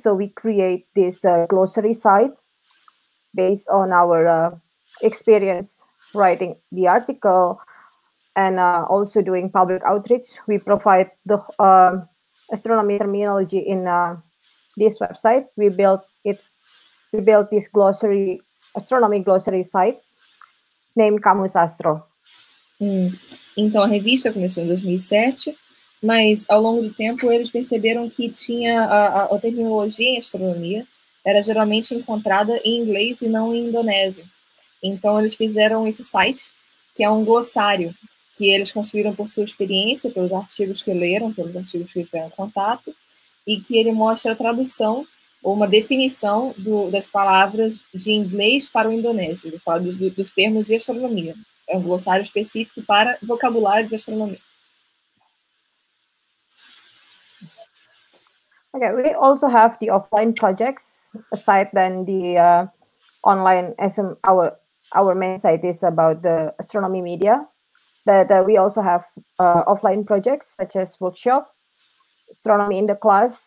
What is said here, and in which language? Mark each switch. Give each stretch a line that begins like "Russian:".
English: So we create this glossary site based on our experience writing the article. And also doing public outreach, we provide the astronomy terminology in this website. We built this glossary, astronomy glossary site, named Camus Astro.
Portuguese: Então, a revista começou em 2007, mas ao longo do tempo eles perceberam que tinha a terminologia em astronomia era geralmente encontrada em inglês e não em indonésio. Então, eles fizeram esse site, que é um glossário, que eles construíram por sua experiência, pelos artigos que leram, pelos artigos que tiveram contato, e que ele mostra a tradução ou uma definição das palavras de inglês para o indonésio, dos termos de astronomia. É um glossário específico para vocabulário de astronomia.
English: Okay, we also have the offline projects, aside than the online, as our main site is about the astronomy media. But we also have offline projects such as workshop, astronomy in the class.